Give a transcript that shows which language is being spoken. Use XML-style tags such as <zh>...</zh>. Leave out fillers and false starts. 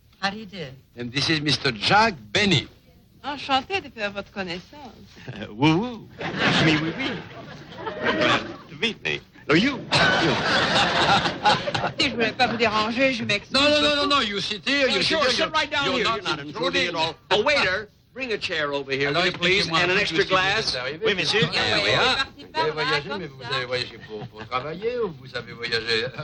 <en>How do you do? And this is Mr. Jack Benny.</en> <fr>Enchanté de faire votre connaissance. Woo-woo. Me, oui, oui.</fr> <en>Well, to meet me. No, you. You.</en> <fr>Si je ne voulais pas vous déranger, je m'excuse.</fr> <en>No, you sit here. Sit right down here. You're not intruding at all. A waiter, bring a chair over here, will you please, and an extra glass.</en> <fr>Oui, monsieur. Oui, monsieur. Vous avez voyagé, mais vous avez voyagé pour travailler ou vous avez voyagé...</fr>